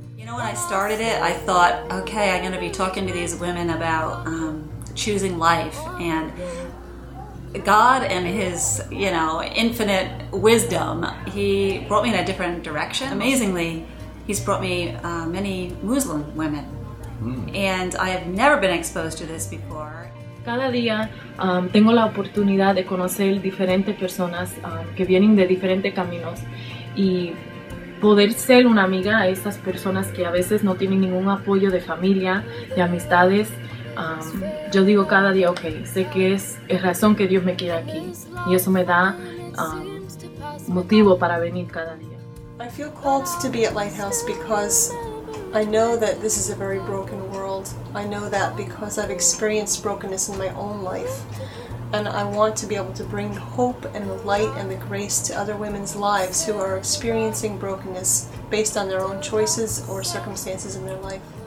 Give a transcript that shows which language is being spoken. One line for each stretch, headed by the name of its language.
English: You know, when I started it, I thought, okay, I'm going to be talking to these women about choosing life, and God and His, you know, infinite wisdom, He brought me in a different direction. Amazingly, He's brought me many Muslim women, and I have never been exposed to this before.
Spanish: Cada día tengo la oportunidad de conocer diferentes personas que vienen de diferentes caminos y poder ser una amiga a esas personas que a veces no tienen ningún apoyo de familia, de amistades, yo digo cada día, okay, sé que es razón que Dios me quiere aquí, y eso me da motivo para venir cada día.
English: I feel called to be at Lighthouse because I know that this is a very broken world. I know that because I've experienced brokenness in my own life. And I want to be able to bring hope and the light and the grace to other women's lives who are experiencing brokenness based on their own choices or circumstances in their life.